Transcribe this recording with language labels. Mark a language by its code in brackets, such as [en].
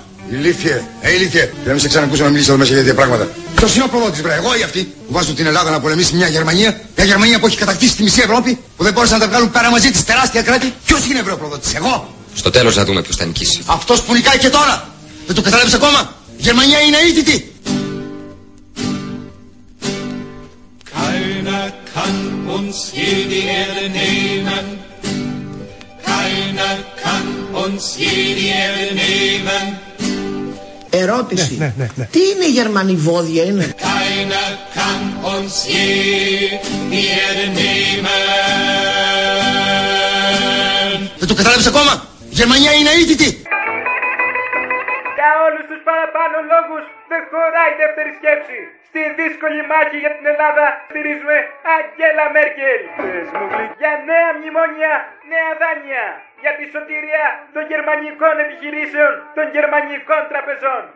[el] Ηλίθιε, ηλίθιε, πρέπει να σε ξανακούσω να μιλήσω εδώ μέσα για τέτοια πράγματα. Ποιος είναι ο προδότης, βρε, εγώ ή αυτοί που βάζουν την Ελλάδα να πολεμήσει μια Γερμανία, μια Γερμανία που έχει κατακτήσει τη μισή Ευρώπη, που δεν μπόρεσαν να τα βγάλουν πέρα μαζί της τεράστια κράτη. Ποιος είναι, βρε, ο προδότης, εγώ? Στο τέλος θα δούμε ποιος θα νικήσει. Αυτός που νικάει και τώρα! Δεν το καταλάβεις ακόμα! Η Γερμανία είναι ήττη! [de] Keiner kann uns hier die Erde nehmen. Keiner kann uns hier die Erde nehmen. [el] Ερώτηση. Ναι, ναι, ναι, ναι. Τι είναι γερμανιβόδια, είναι? [de] Keiner kann uns hier die Erde nehmen. [el] Δεν το καταλάβεις ακόμα! Η Γερμανία είναι ήττη! Για όλους τους παραπάνω λόγους δεν χωράει δεύτερη σκέψη. Στη δύσκολη μάχη για την Ελλάδα στηρίζουμε Αγγέλα Μέρκελ. Για νέα μνημόνια, νέα δάνεια. Για τη σωτηρία των γερμανικών επιχειρήσεων, των γερμανικών τραπεζών.